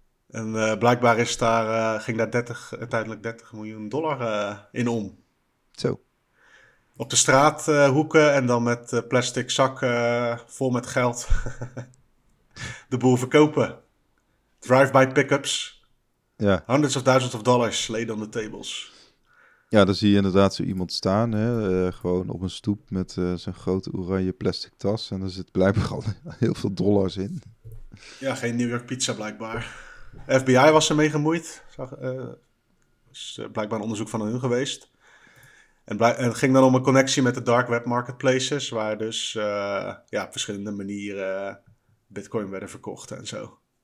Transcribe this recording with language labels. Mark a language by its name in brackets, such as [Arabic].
[Dutch] En blijkbaar is daar, ging daar uiteindelijk 30 miljoen dollar in om. Zo. Op de straathoeken en dan met plastic zakken vol met geld de boel verkopen. [English] Drive-by pickups. [Dutch] Ja. [English] Hundreds of thousands of dollars laid on the tables. [Dutch] Ja, dan zie je inderdaad zo iemand staan. Hè? Gewoon op een stoep met zijn grote oranje plastic tas. En er zit blijkbaar al heel veel dollars in. Ja, geen New York pizza blijkbaar. FBI was ermee gemoeid. Is blijkbaar een onderzoek van hun geweest. En het ging dan om een connectie met de dark web marketplaces, waar dus ja, op verschillende manieren bitcoin werden verkocht en zo.